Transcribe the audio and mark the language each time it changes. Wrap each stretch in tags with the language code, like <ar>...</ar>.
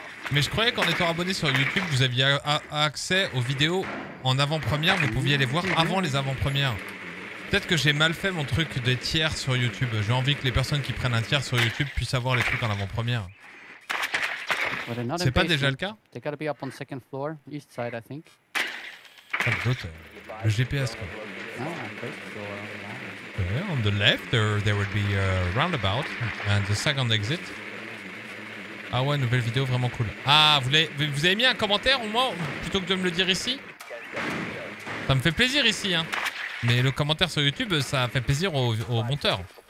<fr>Mais je croyais qu'en étant abonné sur YouTube, vous aviez accès aux vidéos en avant-première. Vous pouviez les voir avant les avant-premières. Peut-être que j'ai mal fait mon truc des tiers sur YouTube. J'ai envie que les personnes qui prennent un tiers sur YouTube puissent avoir les trucs en avant-première. C'est pas déjà le cas?</fr> <en>They gotta be up on second floor, east side, I think.</en> <fr>Pas de doute. Le GPS, quoi.</fr> <en>Okay, on the left, there would be a roundabout and the second exit.</en> <fr>Ah ouais, nouvelle vidéo, vraiment cool. Ah, vous avez mis un commentaire au moins, plutôt que de me le dire ici? Ça me fait plaisir ici, hein. Mais le commentaire sur YouTube, ça fait plaisir au monteur.</fr>